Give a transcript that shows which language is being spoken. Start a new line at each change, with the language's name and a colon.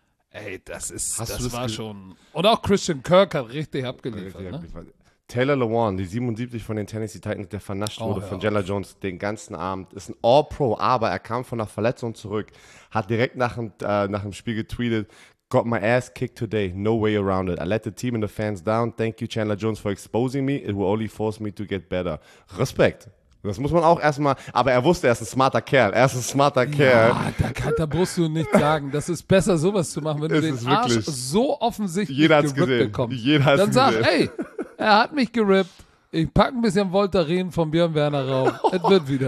German: Ey, das war schon. Und auch Christian Kirk hat richtig abgeliefert. Ne? Taylor Lewan, die 77 von den Tennessee Titans, der vernascht wurde von Jenna Jones den ganzen Abend, ist ein All-Pro, aber er kam von einer Verletzung zurück, hat direkt nach dem Spiel getweetet:
English: Got my ass kicked today. No way around it. I let the team and the fans down. Thank you, Chandler Jones, for exposing me. It will only force me to get better.
German: Respekt. Das muss man auch erstmal, aber er wusste, er ist ein smarter Kerl. Ja, da musst du nicht sagen, das ist besser, sowas zu machen, wenn du den Arsch so offensichtlich gerippt bekommst. Jeder hat's dann gesehen. Dann sag, ey, er hat mich gerippt, ich packe ein bisschen Voltaren von Björn Werner rauf, es wird wieder.